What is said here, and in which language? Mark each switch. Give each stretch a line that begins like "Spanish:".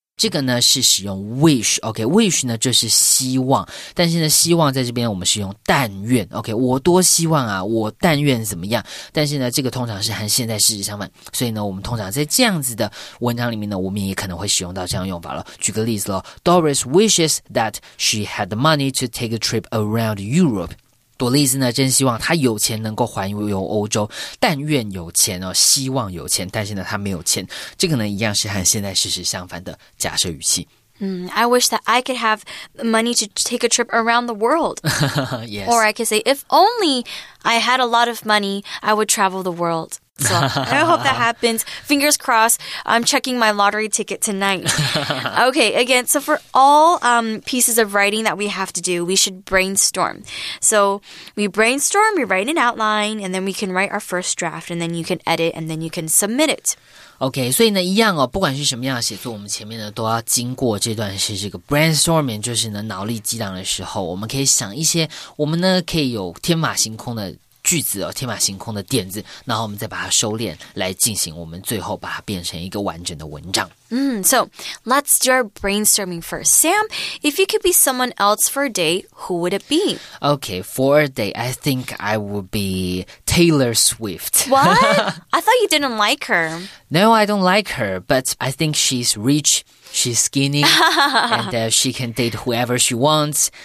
Chinese: 这个呢是使用 wish， OK， wish 呢就是希望，但是呢希望在这边我们是用但愿， OK， 我多希望啊，我但愿怎么样，但是呢这个通常是和现在事实相反，所以呢我们通常在这样子的文章里面呢，我们也可能会使用到这样用法了。举个例子咯，
English: Doris wishes that she had the money to take a trip around Europe。
Chinese: 朵莉丝呢真希望她有钱能够环游欧洲，但愿有钱哦，希望有钱，但是呢她没有钱，这个呢一样是和现在事实相反的假设语气。
English: I wish that I could have money to take a trip around the world. Yes. Or I could say, if only I had a lot of money, I would travel the world. So I hope that happens. Fingers crossed, I'm checking my lottery ticket tonight. Okay, again, so for all pieces of writing that we have to do, we should brainstorm. So we brainstorm, we write an outline, and then we can write our first draft, and then you can edit, and then you can submit it.
Chinese: OK， 所以呢一样哦，不管是什么样的写作，我们前面呢都要经过这段是这个 brainstorming， 就是呢脑力激荡的时候，我们可以想一些我们呢可以有天马行空的句子哦，天马行空的点子，然后我们再把它收敛来进行，我们最后把它变成一个完整的文章。
English: So let's do our brainstorming first. Sam, if you could be someone else for a day, who would it be? Okay, for a day, I think I would be Taylor Swift. What? I thought you didn't like her. No, I don't like her, but I think she's rich, she's skinny, and she can date whoever she wants.